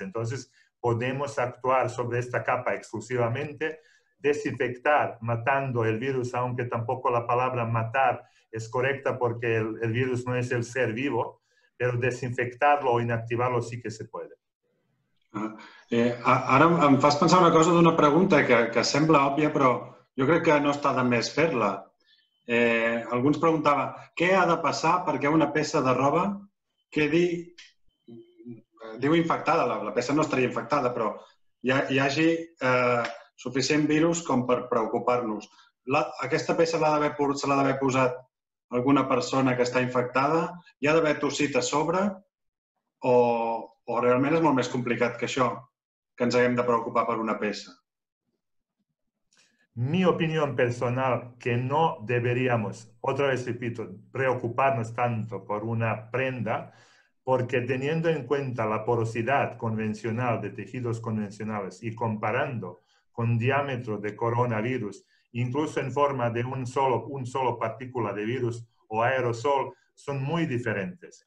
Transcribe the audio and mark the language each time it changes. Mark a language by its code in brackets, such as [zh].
[es] Entonces, podemos actuar sobre esta capa exclusivamente, desinfectar, matando el virus, aunque tampoco la palabra matar es correcta porque el virus no es el ser vivo, pero desinfectarlo o inactivarlo sí que se puede. [ca] Ara em fas pensar una cosa d'una pregunta que sembla òbvia, però jo crec que no està de més fer-la. Algú ens preguntava què ha de passar perquè una peça de roba quedi... Diu infectada, la peça no estaria infectada, però hi hagi suficient virus com per preocupar-nos. Aquesta peça se l'ha d'haver posat alguna persona que està infectada? Hi ha d'haver tossit a sobre? O realment és molt més complicat que això, que ens haguem de preocupar per una peça? [es] Mi opinión personal, que no deberíamos, otra vez repito, preocuparnos tanto por una prenda, porque teniendo en cuenta la porosidad convencional de tejidos convencionales y comparando con diámetro de coronavirus, incluso en forma de un solo partícula de virus o aerosol, son muy diferentes.